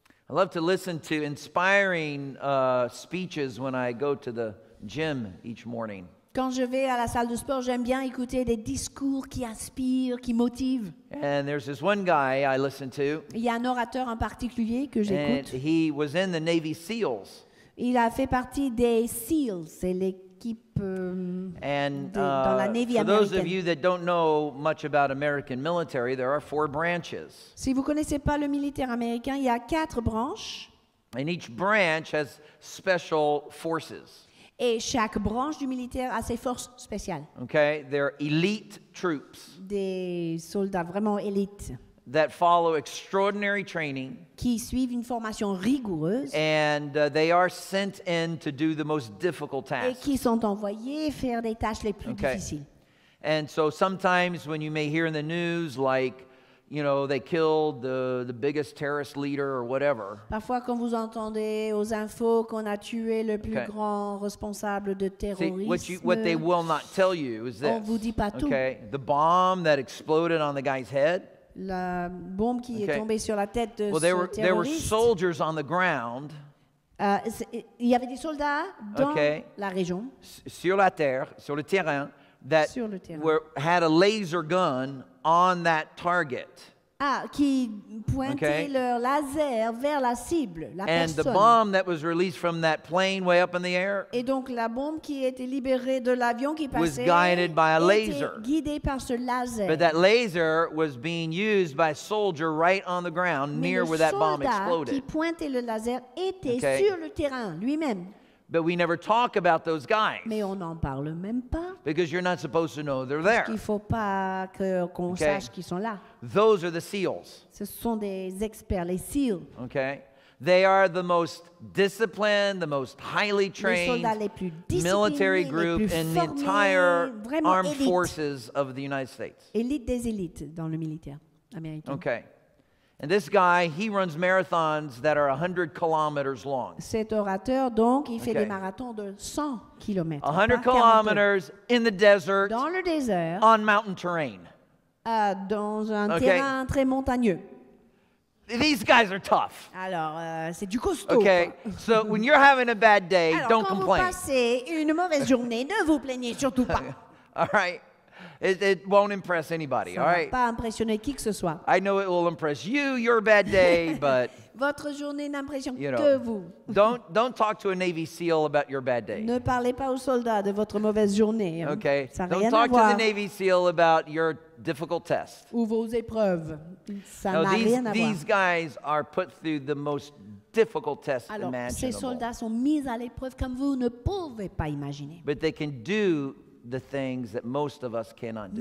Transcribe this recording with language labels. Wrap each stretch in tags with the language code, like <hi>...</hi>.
<en>I love to listen to inspiring speeches when I go to the gym each morning.</en> <fr>Quand je vais à la salle de sport, j'aime bien écouter des discours qui inspirent, qui motivent.</fr> <en>And there's this one guy I listen to.</en> <fr>Il y a un orateur en particulier que j'écoute.</fr> <en>And he was in the Navy SEALs.</en> <fr>Il a fait partie des SEALs, c'est l'équipe dans la Navy américaine.</fr> <en>For those of you that don't know much about American military, there are four branches.</en> <fr>Si vous connaissez pas le militaire américain, il y a quatre branches.</fr> <en>And each branch has special forces.</en> <fr>Et chaque branche du militaire a ses forces spéciales.</fr> <en>Okay, they're elite troops.</en> <fr>Des soldats vraiment élites.</fr> <en>That follow extraordinary training.</en> <fr>Qui suivent une formation rigoureuse.</fr> <en>And they are sent in to do the most difficult tasks.</en> <fr>Et qui sont envoyés faire des tâches les plus difficiles.</fr> <en>And so sometimes when you may hear in the news like you know, they killed the biggest terrorist leader or whatever.</en> <fr>Parfois, quand vous entendez aux infos qu'on a tué le plus grand responsable de terrorisme,</fr> <en>see, what they will not tell you is this.</en> <fr>On vous dit pas tout.</fr> <en>Okay, the bomb that exploded on the guy's head.</en> <fr>La bombe qui est tombée sur la tête de ce terroriste.</fr> <en>Well, there were soldiers on the ground.</en> <fr>Il y avait des soldats dans la région. Sur la terre, sur le terrain,</fr> <en>had a laser gun on that target.</en> <fr>Ah, qui pointait leur laser vers la cible, la personne.</fr> <en>And the bomb that was released from that plane way up in the air.</en> <fr>Et donc la bombe qui était libérée de l'avion qui passait.</fr> <en>Was guided by a laser.</en> <fr>Était guidée par ce laser.</fr> <en>But that laser was being used by a soldier right on the ground near where that bomb exploded.</en> <fr>Mais le soldat qui pointait le laser était sur le terrain lui-même.</fr> <en>But we never talk about those guys.</en> <fr>Mais on n'en parle même pas.</fr> <en>Because you're not supposed to know they're there.</en> <fr>Parce qu'il faut pas qu'on sache qu'ils sont là.</fr> <en>Those are the SEALs.</en> <fr>Ce sont des experts, les SEALs.</fr> <en>Okay. They are the most disciplined, the most highly trained military group in the entire armed forces of the United States.</en> <fr>Élite des élites dans le militaire américain.</fr> <en>Okay. And this guy, he runs marathons that are 100 kilometers long.</en> <fr>Cet orateur, donc, il fait des marathons de 100 kilomètres.</fr> <en>100 kilometers in the desert.</en> <fr>Dans le désert.</fr> <en>On mountain terrain.</en> <fr>Dans un terrain très montagneux.</fr> <en>These guys are tough.</en> <fr>Alors, c'est du costaud.</fr> <en>Okay, so when you're having a bad day,</en> <fr>alors,</fr> <en>don't complain.</en> <fr>Alors, quand vous passez une mauvaise journée, ne vous plaignez surtout pas.</fr> <en>All right. It won't impress anybody,</en> <fr>ça</fr> <en>all right?</en> <fr>Ça va pas impressionner qui que ce soit.</fr> <en>I know it will impress you, your bad day, but...</en> <fr>Votre journée n'impressionne que vous.</fr> <en>don't talk to a Navy SEAL about your bad day.</en> <fr>Ne parlez pas aux soldats de votre mauvaise journée.</fr> <en>Okay.</en> <fr>Ça</fr> <en>don't</en> <fr>rien</fr> <en>talk</en> <fr>à voir.</fr> <en>To the Navy SEAL about your difficult test.</en> <fr>Ou vos épreuves. Ça</fr> <en>no,</en> <fr>n'a</fr> <en>these,</en> <fr>rien à</fr> <en>these</en> <fr>voir.</fr> <en>These guys are put through the most difficult test</en> <fr>alors,</fr> <en>imaginable.</en> <fr>Alors, ces soldats sont mis à l'épreuve comme vous ne pouvez pas imaginer.</fr> <en>But they can do the things that most of us cannot do.</en>